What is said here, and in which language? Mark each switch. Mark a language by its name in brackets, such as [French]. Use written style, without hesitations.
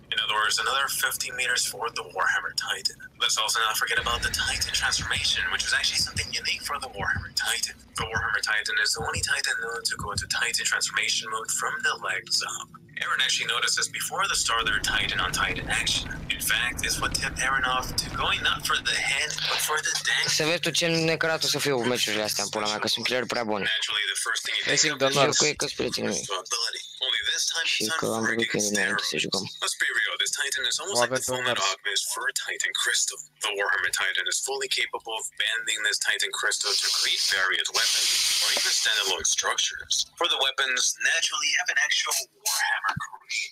[English] In other words, another 50 meters for the Warhammer Titan. Let's also not forget about the Titan transformation, which is actually something unique for the Warhammer Titan. The Warhammer Titan is the only Titan known to go into Titan transformation mode from the legs up. Eren actually noticed this before the start of their Titan on Titan action. In fact, it's what tipped Eren off to going not for the head, but for the dang. [Romanian] Să vezi tu ce necărat o să fiu meciurile astea, pula mea, că sunt player prea bun. [English] Only this time it's not freaking narrow. Let's be real, this Titan is almost like the former Ogmas for a Titan Crystal. The Warhammer Titan is fully capable of bending this Titan Crystal to create various weapons, or even standalone structures. For the weapons, naturally you have an actual Warhammer crew.